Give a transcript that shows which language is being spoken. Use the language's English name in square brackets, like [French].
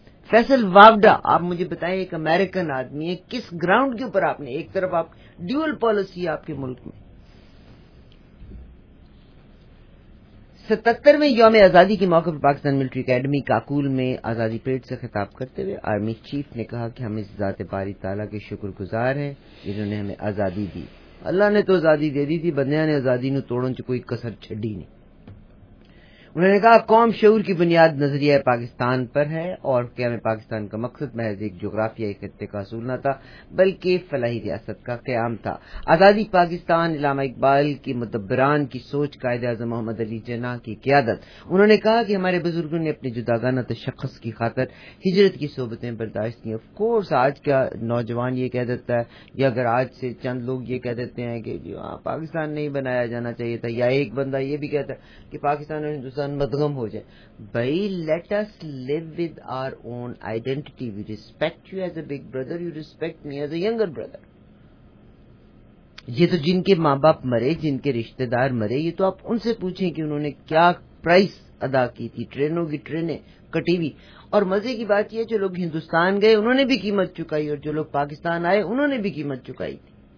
[Urdu] فیصل واوڈا, آپ مجھے بتائیں ایک امریکن آدمی ہے, کس گراؤنڈ کے اوپر آپ نے ایک طرف آپ ڈیول پالیسی آپ کے ملک میں. 77 یوم آزادی کے موقع پر پاکستان ملٹری اکیڈمی کاکول میں آزادی پریڈ سے خطاب کرتے ہوئے آرمی چیف نے کہا کہ ہم اس ذات باری تعالیٰ کے شکر گزار ہیں جنہوں نے ہمیں آزادی دی. [Punjabi] اللہ نے تو آزادی دے دی تھی, بندیا نے آزادی نو توڑن چ کوئی کسر چھڈی نہیں. [Urdu] انہوں نے کہا قوم شعور کی بنیاد نظریہ پاکستان پر ہے, اور قیام پاکستان کا مقصد محض ایک جغرافیائی خطے کا حصول نہ تھا بلکہ فلاحی ریاست کا قیام تھا. آزادی پاکستان علامہ اقبال کی مدبران کی سوچ, قائد اعظم محمد علی جناح کی قیادت. انہوں نے کہا کہ ہمارے بزرگوں نے اپنے جداگانہ تشخص کی خاطر ہجرت کی صحبتیں برداشت کی. [English] of course [Urdu] آج کا نوجوان یہ کہہ دیتا ہے, یا اگر آج سے چند لوگ یہ کہہ دیتے ہیں کہ پاکستان نہیں بنایا جانا چاہیے تھا, یا ایک بندہ یہ بھی کہتا ہے کہ پاکستان اور ہندوستان مدغم ہو جائے. [English] بھائی, let us live with our own identity. We respect you as a big brother, you respect me as a younger brother. [Urdu] یہ تو جن کے ماں باپ مرے, جن کے رشتے دار مرے, یہ تو آپ ان سے پوچھیں کہ انہوں نے کیا پرائس ادا کی تھی. ٹرینوں کی ٹرینیں کٹی ہوئی. اور مزے کی بات یہ, جو لوگ ہندوستان گئے انہوں نے بھی قیمت چکائی, اور جو لوگ پاکستان آئے انہوں نے بھی قیمت چکائی تھی.